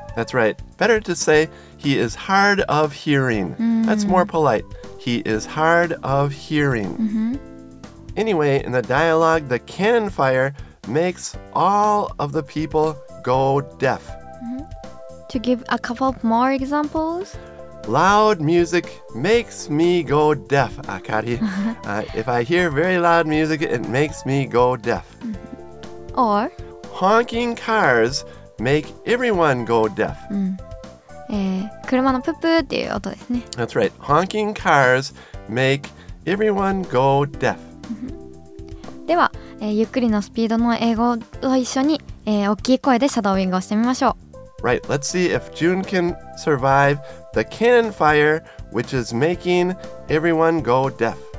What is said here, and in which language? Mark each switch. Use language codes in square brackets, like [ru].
[en] That's right. Better to say he is hard of hearing. That's more polite. He is hard of hearing. Anyway, in the dialogue, the cannon fire makes all of the people go deaf. To give a couple of more examples Loud music makes me go deaf, Akari. If I hear very loud music, it makes me go deaf. Or honking cars make everyone go deaf. [ja] 車のプープーっていう音ですね。 [en] That's right. Honking cars make everyone go deaf. [ja] では、ゆっくりのスピードの英語と一緒に、大きい声でシャドーウィングをしてみましょう。 [en] Right, let's see if June can survive the cannon fire, which is making everyone go deaf.